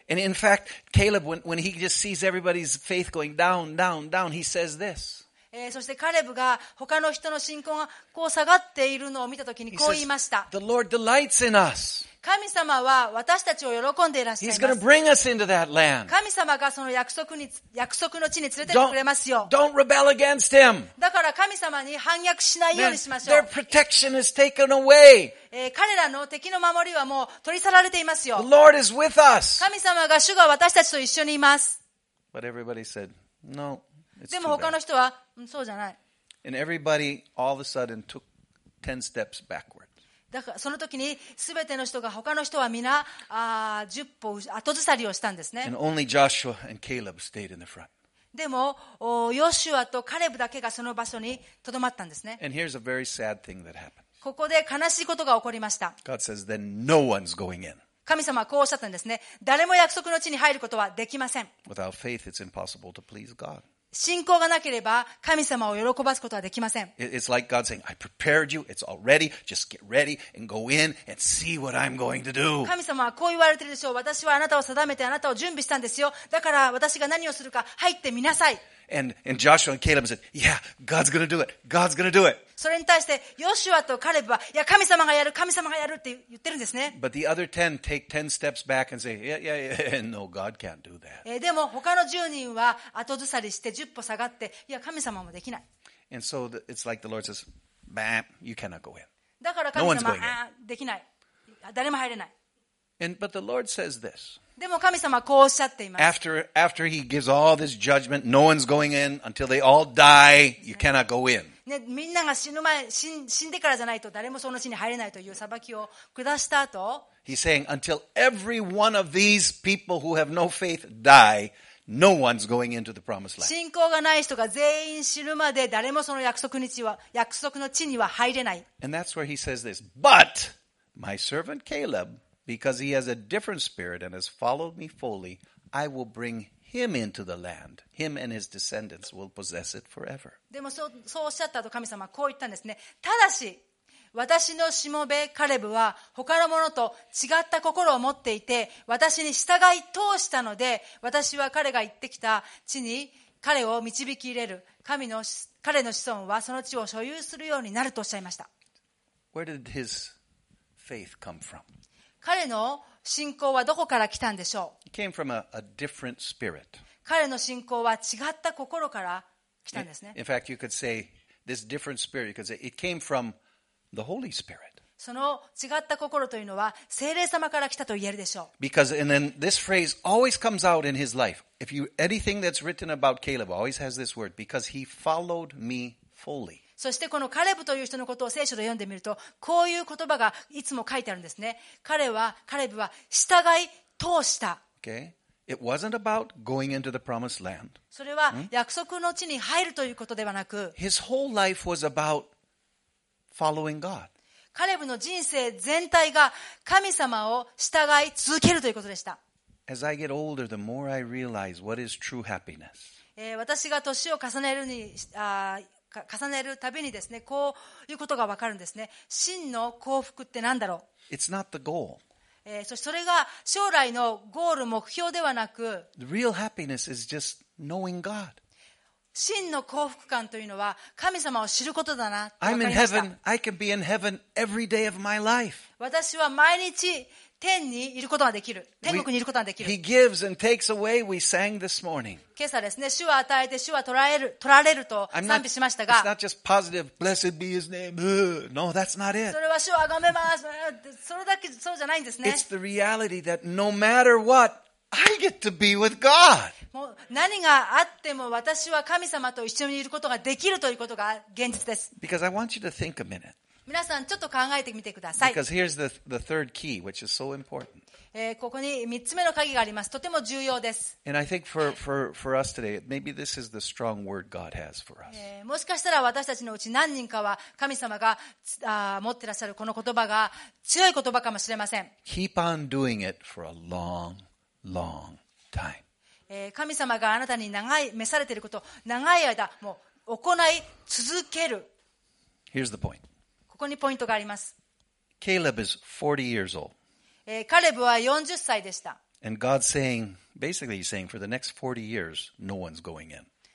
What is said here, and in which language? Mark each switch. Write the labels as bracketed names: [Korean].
[English] And in fact, Caleb, when he just sees everybody's faith going down, down, down, he says this. [Japanese] そしてカレブが他の人の信仰がこう下がっているのを見たときにこう言いました。 [English] He says, The Lord delights in us. [Japanese] 神様は私たちを喜んでいらっしゃいます。 [English] He's going to bring us into that land. [Japanese] 神様がその約束の地に連れてってくれますよ。 [English] Don't rebel against him. [Japanese] だから神様に反逆しないようにしましょう。 [English] Their protection is taken away. [Japanese] 彼らの敵の守りはもう取り去られていますよ。 [English] The Lord is with us. [Japanese] 神様が主が私たちと一緒にいます。 [English] But everybody said, no, it's too bad. [Japanese] でも他の人は、そうじゃない。 [English] And everybody all of a sudden took 10 steps backward. [Japanese] だからその時に全ての人が他の人は皆10歩後ずさりをしたんですね。 [English] And only Joshua and Caleb stayed in the front. [Japanese] でもヨシュアとカレブだけがその場所にとどまったんですね。 [English] And here's a very sad thing that happened. [Japanese] ここで悲しいことが起こりました。 [English] God says, then no one's going in. [Japanese] 神様はこうおっしゃったんですね。誰も約束の地に入ることはできません。 [English] Without faith, it's impossible to please God. [Japanese] 信仰がなければ神様を喜ばすことはできません。 [English] It's like God saying, I prepared you, it's all ready, just get ready and go in and see what I'm going to do. [Japanese] 神様はこう言われているでしょう。私はあなたを定めてあなたを準備したんですよ。だから私が何をするか入ってみなさい。 [English] And Joshua and Caleb said, Yeah, God's gonna do it, God's gonna do it. [Japanese] それに対してヨシュアとカレブは、いや神様がやる、神様がやるって言ってるんですね。 [English] But the other ten take ten steps back and say, Yeah, yeah, yeah, no, God can't do that. [Japanese] でも他の10人は後ずさりして10歩下がって、いや神様もできない。 [English] And so it's like the Lord says, Bam, you cannot go in. [Japanese] だから神様は、できない。誰も入れない。 [English] But the Lord says this. [Japanese] でも神様はこうおっしゃっています。 [English] After he gives all this judgment, no one's going in until they all die. You cannot go in. [Japanese] ね、みんなが死んでからじゃないと誰もその地に入れないという裁きを下した後、 [English] He's saying until every one of these people who have no faith die, no one's going into the promised land. [Japanese] 信仰がない人が全員死ぬまで誰もその約束の地には入れない。 [English] And that's where he says this. But my servant Caleb. Because he has a different spirit and has followed me fully, I will bring him into the land. Him and his descendants will possess it forever. [Japanese] でもそうおっしゃった後、神様はこう言ったんですね。ただし、私のしもべカレブは他の者と違った心を持っていて、私に従い通したので、私は彼が行ってきた地に彼を導き入れる。彼の子孫はその地を所有するようになるとおっしゃいました。 [English] Where did his faith come from? [Japanese] 彼の信仰はどこから来たんでしょう。 [English] He came from a different spirit. [Japanese] 彼の信仰は違った心から来たんですね。 [English] In fact, you could say this different spirit, you could say it came from the Holy Spirit. [Japanese] その違った心というのは聖霊様から来たと言えるでしょう。 [English] Because and then this phrase always comes out in his life. If you anything that's written about Caleb always has this word, because he followed me fully. [Japanese] そしてこのカレブという人のことを聖書で読んでみると、こういう言葉がいつも書いてあるんですね。カレブは従い通した。 [English] Okay. It wasn't about going into the promised land. [Japanese] それは約束の地に入るということではなく、 [English] His whole life was about following God. [Japanese] カレブの人生全体が神様を従い続けるということでした。 [English] As I get older, the more I realize what is true happiness. [Japanese] 私が年を重ねるに、重ねるたびにですね、こういうことが分かるんですね。真の幸福って何だろう。 [English] It's not the goal. [Japanese] そしてそれが将来のゴール目標ではなく、 [English] The real happiness is just knowing God. [Japanese] 真の幸福感というのは神様を知ることだなって分かりました。 [English] I'm in heaven. I can be in heaven every day of my life. [Japanese] 私は毎日天にいることができる。天国にいることができる。 [English] He gives and takes away. We sang this morning. [Japanese] 今朝ですね、主は与えて主は取られると賛美しましたが、 [English] It's not just positive. Blessed be His name. No, that's not it. [Japanese] それは主を崇めます。それだけそうじゃないんですね。 [English] It's the reality that no matter what, I get to be with God. [Japanese] もう何があっても私は神様と一緒にいることができるということが現実です。 [English] Because I want you to think a minute. [Japanese] 皆さんちょっと考えてみてください。 [English] Because here's the third key, which is so important. [Japanese] ここに3つ目の鍵があります。とても重要です。 [English] And I think for us today, maybe this is the strong word God has for us. [Japanese] もしかしたら私たちのうち何人かは神様が持ってらっしゃるこの言葉が強い言葉かもしれません。 [English] Keep on doing it for a long, long time. [Japanese] 神様があなたに長い召されていることを長い間もう行い続ける。 [English] Here's the point. [Japanese] ここにポイントがあります。 [English] Caleb is 40 years old. [Japanese] カレブは40歳でした。 [English] And God's saying, basically he's saying, for the next 40 years, no one's going in.